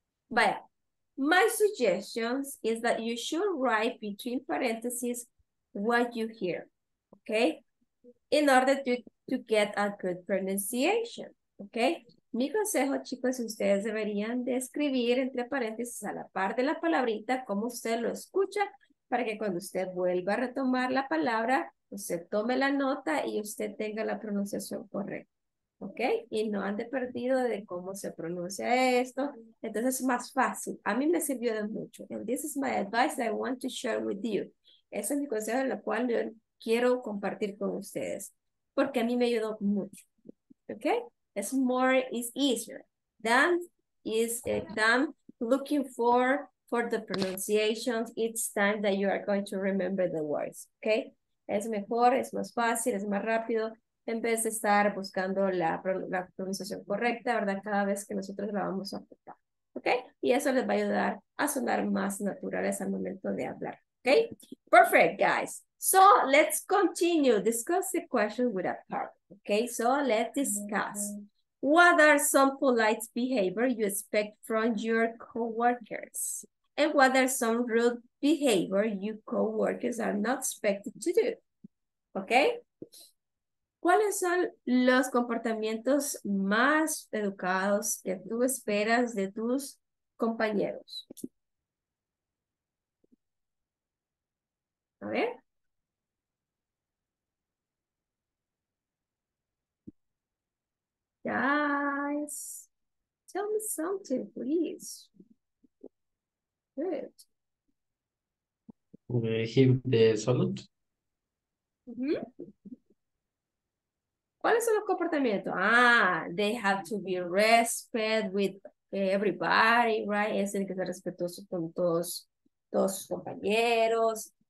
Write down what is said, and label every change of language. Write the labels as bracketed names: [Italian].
[English] But my suggestions is that you should write between parentheses what you hear, okay? In order to get a good pronunciation, okay? [Spanish] Mi consejo, chicos, ustedes deberían de escribir entre paréntesis a la par de la palabrita como usted lo escucha para que cuando usted vuelva a retomar la palabra, usted tome la nota y usted tenga la pronunciación correcta. ¿Ok? Y no ande perdido de cómo se pronuncia esto. Entonces es más fácil. A mí me sirvió de mucho. [English] And this is my advice that I want to share with you. [Spanish] Ese es mi consejo en el cual yo quiero compartir con ustedes. Porque a mí me ayudó mucho. ¿Ok? [English] It's more, it's easier than, is, than looking for the pronunciations. It's time that you are going to remember the words. ¿Ok? [Spanish] Es mejor, es más fácil, es más rápido. En vez de estar buscando la pronunciación correcta, ¿verdad? Cada vez que nosotros la vamos a ocupar, ¿ok? Y eso les va a ayudar a sonar más naturales al momento de hablar, ¿ok? [English] Perfect, guys. So, let's continue. Discuss the question with a partner, ¿ok? So, let's discuss. What are some polite behavior you expect from your coworkers? And what are some rude behavior you coworkers are not expected to do? ¿Ok? [Spanish] ¿Cuáles son los comportamientos más educados que tú esperas de tus compañeros? A ver. [English] Guys, tell me something, please. Good. Give the salute. Mm-hmm. [Spanish] ¿Cuáles son los comportamientos? [English] Ah, they have to be respect with everybody, right? [Spanish] Es decir, que ser respetuoso con todos sus compañeros.